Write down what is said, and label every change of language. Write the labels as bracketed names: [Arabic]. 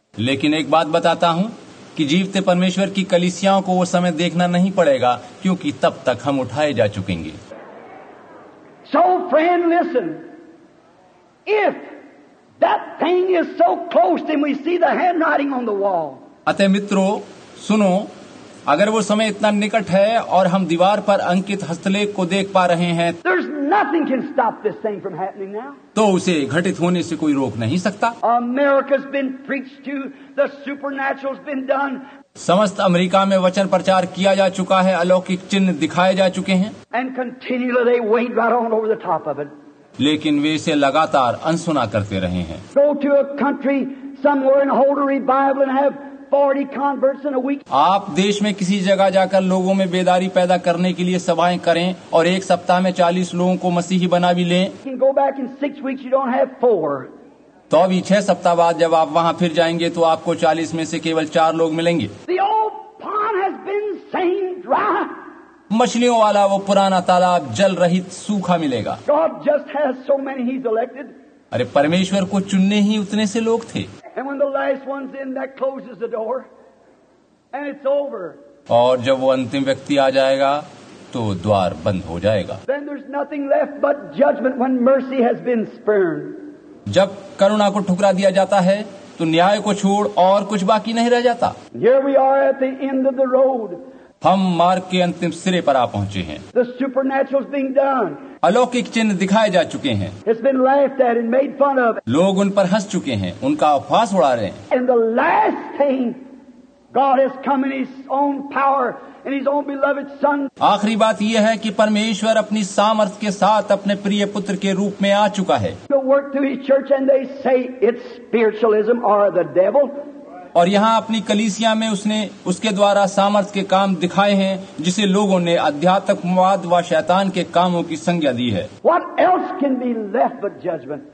[Hindi] लेकिन एक बात बताता हूँ कि जीवते परमेश्वर की कलीसियाओं को वो समय देखना नहीं पड़ेगा क्योंकि तब तक हम उठाए जा चुकेंगे। [English] So friend, listen. If that thing is so close, then we see the handwriting on the wall. [Hindi] अतः मित्रों सुनो, अगर वो समय इतना निकट है और हम दीवार पर अंकित हस्तलेख को देख पा रहे हैं, [English] There's nothing can stop this thing from happening now. [Hindi] तो उसे घटित होने से कोई रोक नहीं सकता। [English] America's been preached to, the supernatural's been done. [Hindi] समस्त अमेरिका में वचन प्रचार किया जा चुका है, अलौकिक चिन्ह दिखाए जा चुके हैं। [English] And continually they wait right on over the top of it. [Hindi] लेकिन वे इसे लगातार अनसुना करते रहे हैं। [English] Go to a country somewhere and hold a revival and have 40 converts in a week. [Hindi] आप देश में किसी जगह जाकर लोगों में बेदारी पैदा करने के लिए सभाएं करें और एक सप्ताह में 40 लोगों को मसीही बना भी लें। [English] You can go back in 6 weeks, you don't have 4. [Hindi] तो अभी 6 सप्ताह बाद जब आप वहां फिर जाएंगे तो आपको 40 में से केवल 4 लोग मिलेंगे। [English] The old pond has been saying dry. [Hindi] मछलियों वाला वो पुराना तालाब जल रहित सूखा मिलेगा। [English] God just has so many he's elected. [Hindi] अरे परमेश्वर को चुनने ही उतने से लोग थे। [English] And when the last one's in, that closes the door, and it's over. [Hindi] और जब वो अंतिम व्यक्ति आ जाएगा, तो द्वार बंद हो जाएगा। [English] Then there's nothing left but judgment when mercy has been spurned. [Hindi] जब करुणा को ठुकरा दिया जाता है, तो न्याय को छोड़ और कुछ बाकी नहीं रह जाता। [English] Here we are at the end of the road. [Hindi] हम मार्ग के अंतिम सिरे पर आ पहुंचे हैं। [English] The supernatural's being done. [Hindi] अलौकिक चिन्ह दिखाए जा चुके हैं। [English] It's been laughed at and made fun of. [Hindi] लोग उन पर हंस चुके हैं, उनका अपहास उड़ा रहे हैं। [English] And the last thing, God has come in His own power and His own beloved Son. [Hindi] आखिरी बात यह है कि परमेश्वर अपनी सामर्थ के साथ अपने प्रिय पुत्र के रूप में आ चुका है। [English] To work through His church and they say it's spiritualism or the devil. [Hindi] और यहाँ अपनी कलीसिया में उसने उसके द्वारा सामर्थ के काम दिखाए हैं जिसे लोगों ने अध्यात्मवाद व शैतान के कामों की संज्ञा दी है। [English] What else can be left but judgment?